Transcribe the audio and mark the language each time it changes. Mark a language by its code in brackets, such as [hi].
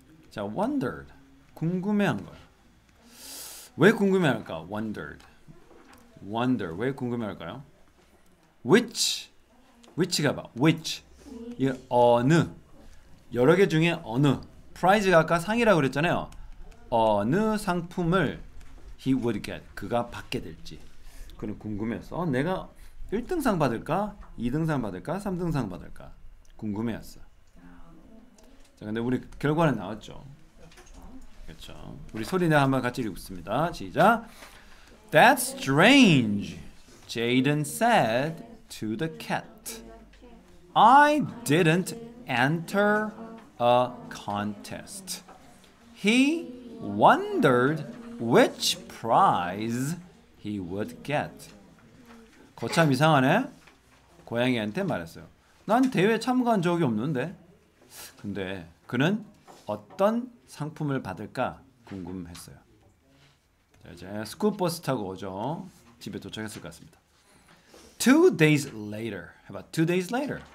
[ko] 자, wondered. 궁금해한 거예요. 왜 궁금해할까? Wondered. Wonder. 왜 궁금해할까요? Which. Which가 봐. Which. 이 어느. 여러 개 중에 어느. Prize가 아까 상이라고 그랬잖아요. 어느 상품을 [en] he would get. [ko] 그가 받게 될지. 그는 궁금했어. 내가 1등상 받을까? 2등상 받을까? 3등상 받을까? 궁금해했어. 자, 근데 우리 결과는 나왔죠. 그렇죠. 우리 소리내 한번 같이 읽습니다. 시작. [en] That's strange, Jaden said to the cat. I didn't enter a contest. He wondered which prize he would get. [ko] 거참 이상하네. 고양이한테 말했어요. 난 대회 참가한 적이 없는데. 근데 그는 어떤 상품을 받을까 궁금했어요. 자, 이제 스쿨버스 타고 오죠. 집에 도착했을 것 같습니다. [en] Two days later. [ko] 해봐. [en] Two days later.